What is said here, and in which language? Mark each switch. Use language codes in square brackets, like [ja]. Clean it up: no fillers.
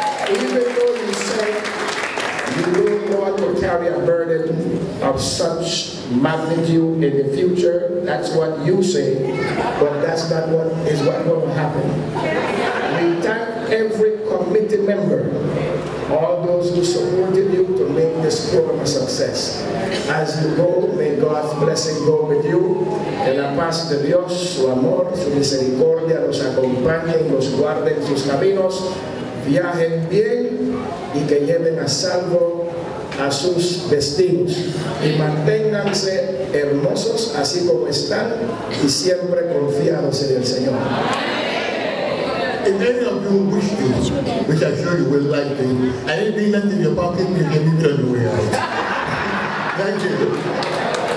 [en] Even though you said you don't want to carry a burden of such magnitude in the future, that's what you say, but that's not what is what going to happen. We thank every committee member, all those who supported you to make this program a success. As you go, may God's blessing go with you. [es] En la paz de Dios, su amor, su misericordia, los acompañe, los guarde en sus caminos, viajen bien y que lleven a salvo a sus destinos y manténganse hermosos así como están y siempre confiados en el Señor. [en] If any of you wish this, which I'm sure you would like to, and it being left in your pocket, you can give it anywhere. Thank you.